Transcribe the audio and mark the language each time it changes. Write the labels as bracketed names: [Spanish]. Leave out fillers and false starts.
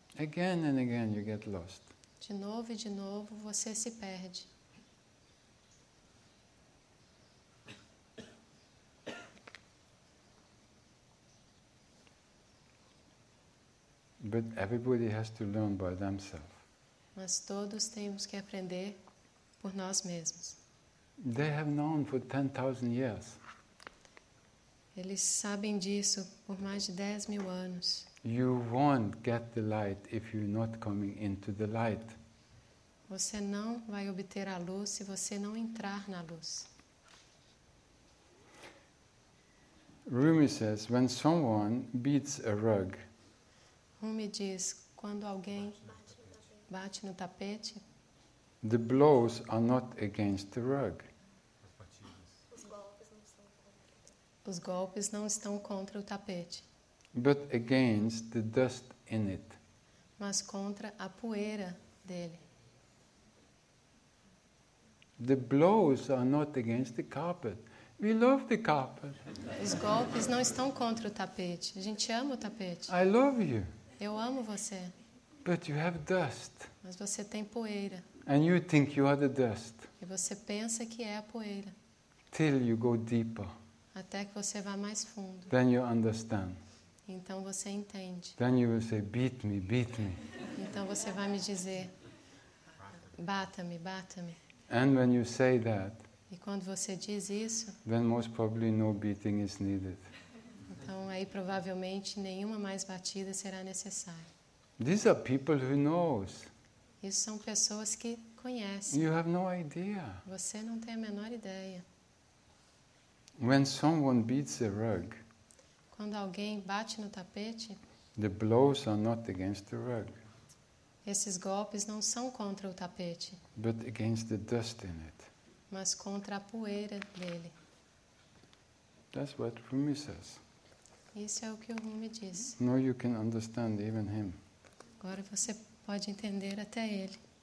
[English] Again and again, you get lost. [Portuguese] de novo, você se perde. [English] But everybody has to learn by themselves. [Portuguese] Mas todos temos que aprender por nós mesmos. [English] They have known for 10,000 years. [Portuguese] Eles sabem disso por mais de 10 mil anos. [English] You won't get the light if you're not coming into the light. [Portuguese] Você não vai obter a luz se você não entrar na luz. [English] Rumi says, when someone beats a rug. [Portuguese] Rumi diz, quando alguém bate no tapete, [English] the blows are not against the rug. [Portuguese] Os golpes não estão contra o tapete. [English] But against the dust in it. [Portuguese] Mas contra a poeira dele. [English] The blows are not against the carpet. We love the carpet. [Portuguese] Os golpes não estão contra o tapete. A gente ama o tapete. [English] I love you. [Portuguese] Eu amo você. [English] But you have dust. [Portuguese] Mas você tem poeira. [English] And you think you are the dust. [Portuguese] E você pensa que é a poeira. [English] Till you go deeper. [Portuguese] Até que você vá mais fundo. [English] Then you understand. [Portuguese] Então você entende. [English] Then you will say, beat me, beat me. [Portuguese] Então você vai me dizer, bata-me, bata-me. [English] And when you say that, [Portuguese] e quando você diz isso, [English] then most probably no beating is needed. [Portuguese] Então aí provavelmente nenhuma mais batida será necessária. [English] These are people who knows. [Portuguese] Isso são pessoas que conhecem. [English] You have no idea. [Portuguese] Você não tem a menor ideia. [English] When someone beats a rug, [Portuguese] quando alguém bate no tapete, [English] the blows are not against the rug. [Portuguese] Esses golpes não são contra o tapete, [English] but against the dust in it. [Portuguese] Mas contra a poeira dele. [English] That's what Rumi says. [Portuguese] Isso é o que o Rumi diz. [English] Now you can understand even him. [Portuguese] Agora você pode entender até ele.